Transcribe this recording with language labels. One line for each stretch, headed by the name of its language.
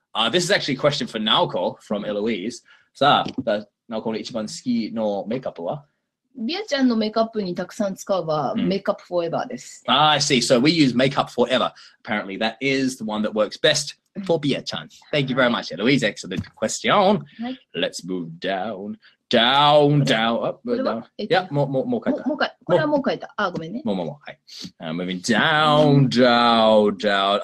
English: This is actually a question for Naoko from Eloise.
Japanese: さあ、Naoko の一番好きのメイクアップは? ビアちゃんのメイクアップにたくさん使うは、メイクアップフォーエバーです。
English: Ah, I see. So we use makeup forever. Apparently, that is the one that works best for ビアちゃん。 Thank you very much, Eloise. Excellent question. Let's move down, down, down.
Japanese: これはもう変えた。
English: Moving down, down, down.